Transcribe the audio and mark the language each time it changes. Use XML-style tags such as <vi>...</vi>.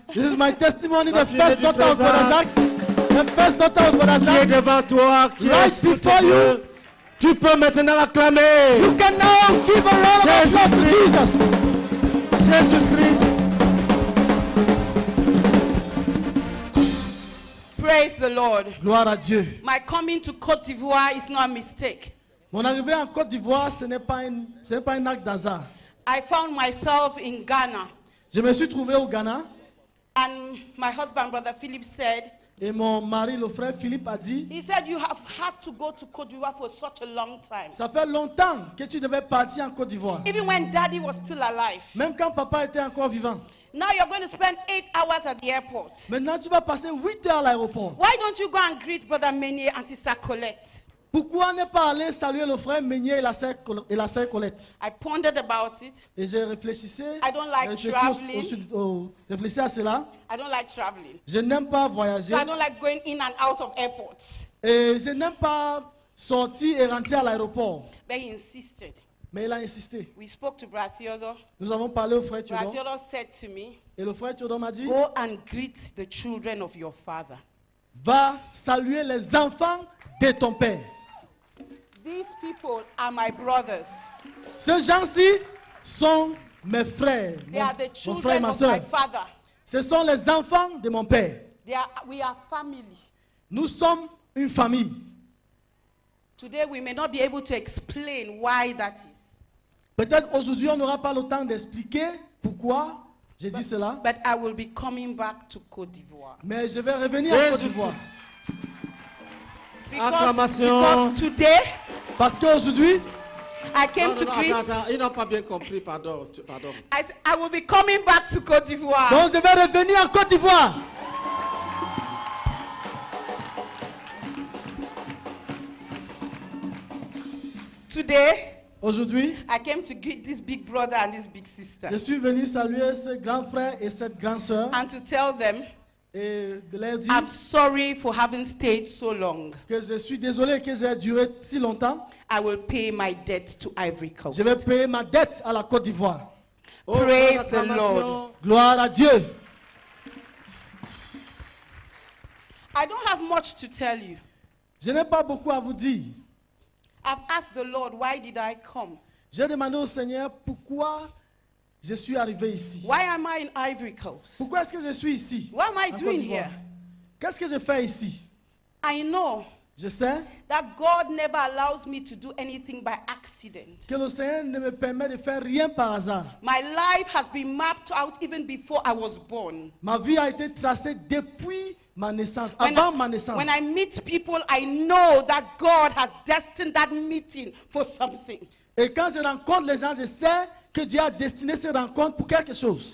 <en>This is my testimony, the first daughter of brother Zach. The first daughter of brother Zach.</en> <fr>Qui est devant toi, qui est sous tes yeux. Tu peux maintenant acclamer.</fr> <en>You can now give a round of applause to Jesus.</en> <fr>Jésus Christ.</fr> <en>Praise the Lord.</en> <fr>Gloire à Dieu.</fr> <en>My coming to Côte d'Ivoire is not a mistake.</en> <fr>Mon arrivée en Côte d'Ivoire, ce n'est pas un acte d'hasard.</fr> <en>I found myself in Ghana.</en> <fr>Je me suis trouvé au Ghana.</fr> <en>And my husband, brother Philip, said.</en> <fr>Et mon mari, le frère Philippe, a dit.</fr> <en>He said you have had to go to Côte d'Ivoire for such a long time.</en> <fr>Ça fait longtemps que tu devais partir en Côte d'Ivoire.</fr> <en>Even when Daddy was still alive.</en> <fr>Même quand papa était encore vivant.</fr> <en>Now you're going to spend 8 hours at the airport.</en> <fr>Maintenant tu vas passer 8 heures à l'aéroport.</fr> <en>Why don't you go and greet brother Meunier and sister Colette?</en> <fr>Pourquoi ne pas aller saluer le frère Meunier et la sœur Colette?</fr> <en>I pondered about it.</en> <fr>Et je réfléchissais.</fr> <en>I don't like traveling.</en> <fr>Réfléchis à cela.</fr> <en>I don't like traveling.</en> <fr>Je n'aime pas voyager.</fr> <en>So I don't like going in and out of airports.</en> <fr>Et je n'aime pas sortir et rentrer à l'aéroport.</fr> <en>But he insisted.</en> <fr>Mais il a insisté.</fr> <en>We spoke to Brother Theodore.</en> <fr>Nous avons parlé au frère Theodore.</fr> <en>Brother Theodore said to me.</en> <fr>Et le frère Theodore m'a dit.</fr> <en>Go and greet the children of your father.</en> <fr>Va saluer les enfants de ton père.</fr> <en>These people are my brothers.</en> <fr>Ces gens-ci sont mes frères.</fr> <en>They are the children</en> <fr>mon frère et ma soeur.</fr> <en>Of my father.</en> <fr>Ce sont les enfants de mon père.</fr> <en>They are, we are family.</en> <fr>Nous sommes une famille.</fr> <en>Today we may not be able to explain why that is.</en> <fr>Peut-être aujourd'hui on n'aura pas le temps d'expliquer pourquoi j'ai dit cela.</fr> <en>But I will be coming back to Côte d'Ivoire.</en> <fr>Mais je vais revenir à Côte d'Ivoire.</fr> <en>Acclamation. Because today,</en> <fr>parce qu'aujourd'hui,</fr> <en>I came to greet.</en> <fr>Attends, ils n'ont pas bien compris, pardon.</fr> <en>I will be coming back to Côte d'Ivoire.</en> <fr>Donc je vais revenir en Côte d'Ivoire.</fr> <en>Today,</en> <fr>aujourd'hui,</fr> <en>I came to greet this big brother and this big sister.</en> <fr>Je suis venu saluer ce grand frère et cette grande sœur.</fr> <en>And to tell them. I'm sorry for having stayed so long.</en> <fr>Que je suis désolé que j'ai duré si longtemps.</fr> <en>I will pay my debt to Ivory Coast.</en> <fr>Je vais payer ma dette à la Côte d'Ivoire.</fr> <en>Praise the Lord.</en> <fr>Gloire à Dieu.</fr> <en>I don't have much to tell you.</en> <fr>Je n'ai pas beaucoup à vous dire.</fr> <en>I've asked the Lord, why did I come?</en> <fr>J'ai demandé au Seigneur pourquoi. Je suis arrivé ici.</fr> <en>Why am I in Ivory Coast?</en> <fr>Pourquoi est-ce que je suis ici?</fr> <en>What am I doing here?</en> <fr>Qu'est-ce que je fais ici?</fr> <en>I know.</en> <fr>Je sais.</fr> <en>That God never allows me to do anything by accident.</en> <fr>Que le Seigneur ne me permet de faire rien par hasard.</fr> <en>My life has been mapped out even before I was born.</en> <fr>Ma vie a été tracée depuis ma naissance, avant ma naissance.</fr> <en>When I meet people, I know that God has destined that meeting for something.</en> <fr>Et quand je rencontre les gens, je sais que Dieu a destiné ces rencontres pour quelque chose.</fr>